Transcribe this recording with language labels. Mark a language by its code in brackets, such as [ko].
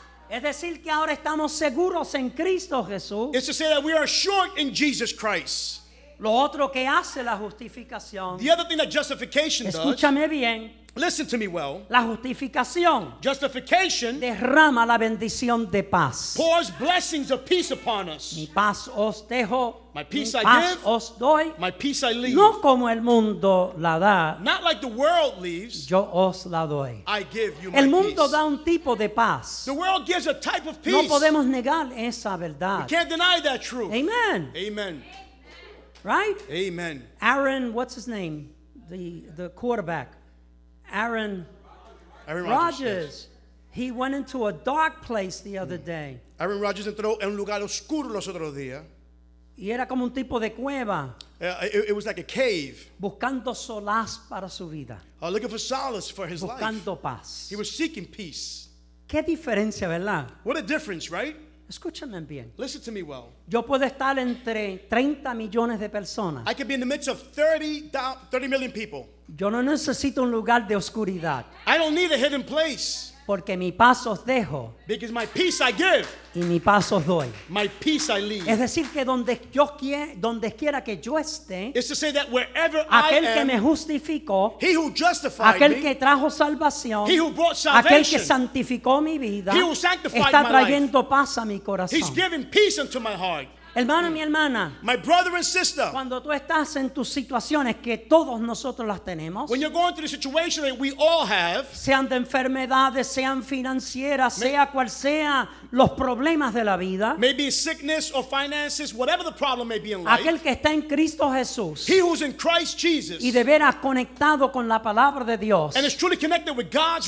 [es] Es decir que ahora estamos seguros en Cristo Jesús. [en] It's to say that we are sure in Jesus Christ. [es] Lo otro que hace la justificación. [en] The other thing that justification does. [es] Escúchame bien. [en] Listen to me well. [es] La justificación. [en] Justification. [es] Derrama la bendición de paz. [en] Pours blessings of peace upon us. [es] Mi paz os dejo. [en] My peace [es] mi [en] I [es] paz [en] give. [es] Os doy. [en] My peace I leave. [es] No como el mundo la da. [en] Not like the world leaves. [es] Yo os la doy. [en] I give you my peace. [es] El mundo [en] peace. [es] Da un tipo de paz. [en] The world gives a type of peace. [es] No podemos negar esa verdad. [en] We can't deny that truth. Amen. Amen. Right? Amen. Aaron, what's his name? The quarterback. Aaron Rodgers. Yes. He went into a dark place the other day. [es] Aaron Rodgers entró en un lugar oscuro los otros días. Y era como un tipo de cueva. [en] It was like a cave. [es] Buscando solaz para su vida. [en] Looking for solace for his [es] buscando [en] life. [es] Paz. [en] He was seeking peace. [es] Qué diferencia, ¿verdad? [en] What a difference, right? [es] Escúchame bien. [en] Listen to me well. [es] Yo puedo estar entre 30 millones de personas. [en] I could be in the midst of 30 million people. [es] Yo no necesito un lugar de oscuridad. [en] I don't need a hidden place. [es] Porque mi paso os dejo. [en] Because my peace I give. [es] Y mi paso os doy. [en] My peace I leave. [es] Es decir que donde yo quiera, donde quiera que yo esté. [en] It's to say that wherever I am. [es] Aquel que me justificó. [en] He who justified [es] aquel [en] me. [es] Aquel que trajo salvación. [en] He who brought salvation. [es] Aquel que santificó mi vida. [en] He who sanctified my life. [es] Está trayendo paz a mi corazón. [en] He's giving peace into my heart. [es] Hermano y mi hermana, [en] my brother and sister, [es] cuando tú estás en tus situaciones que todos nosotros las tenemos, [en] when you're going through the situation that we all have, [es] sean de enfermedades, sean financieras, sea cual sea los problemas de la vida, [en] maybe sickness or finances, whatever the problem may be in life, [es] aquel que está en Cristo Jesús, [en] he who's in Christ Jesus, [es] y de veras conectado con la palabra de Dios, [en] and is truly connected with God's